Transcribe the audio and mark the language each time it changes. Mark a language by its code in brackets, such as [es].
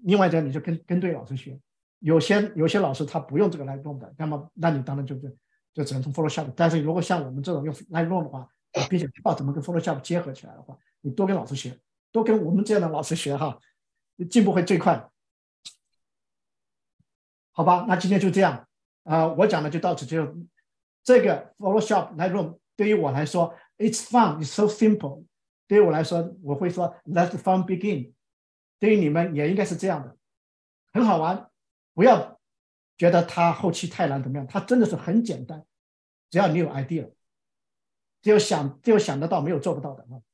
[zh] 另外一点，你就 跟对老师学。有些老师他不用这个 Lightroom 的，那么那你当然 就只能从 Photoshop。但是如果像我们这种用 Lightroom 的话，并且知道怎么跟 Photoshop 结合起来的话，你多跟老师学，多跟我们这样的老师学哈，进步会最快，好吧。那今天就这样，我讲的就到此。就这个 Photoshop Lightroom 对于我来说 [en] It's fun, it's so simple。 [zh] 对于我来说，我会说 [en] Let's fun begin。 [zh] 对于你们也应该是这样的，很好玩，不要觉得它后期太难怎么样，它真的是很简单，只要你有 idea， 只有想得到，没有做不到的。